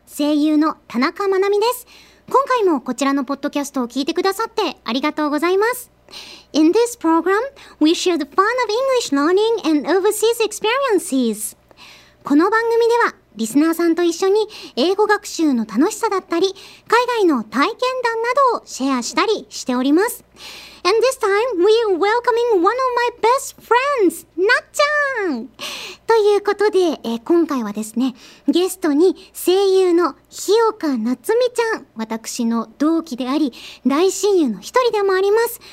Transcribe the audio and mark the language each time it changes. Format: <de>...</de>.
<ja>声優の田中真奈美です。今回もこちらのポッドキャストを聞いてくださってありがとうございます。</ja> <en>In this program, we share the fun of English learning and overseas experiences.</en> <ja>この番組ではリスナーさんと一緒に英語学習の楽しさだったり、海外の体験談などをシェアしたりしております。</ja> <en>And this time, we are welcoming one of my best friends, なっちゃん!</en> <ja>ということで、今回はですね、ゲストに声優の日岡夏美ちゃん、私の同期であり、大親友の一人でもあります。</ja>